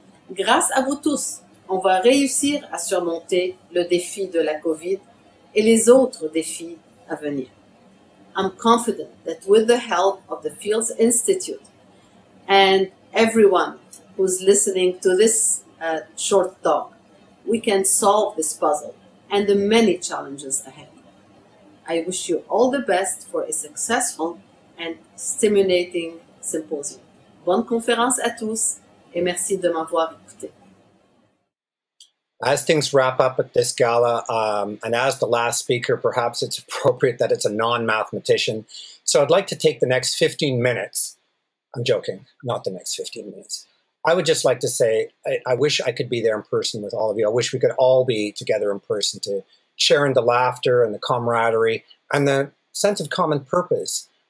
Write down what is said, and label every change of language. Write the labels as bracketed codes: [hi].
[fr] Grâce à vous tous, on va réussir à surmonter le défi de la COVID et les autres défis à venir. [en] I'm confident that with the help of the Fields Institute and everyone who's listening to this short talk, we can solve this puzzle and the many challenges ahead. I wish you all the best for a successful and stimulating symposium. [fr] Bonne conférence à tous et merci de m'avoir écouté. [en] As things wrap up at this gala, and as the last speaker, perhaps it's appropriate that it's a non-mathematician. So I'd like to take the next 15 minutes. I'm joking, not the next 15 minutes. I would just like to say, I wish I could be there in person with all of you. I wish we could all be together in person to share in the laughter and the camaraderie and the sense of common purpose.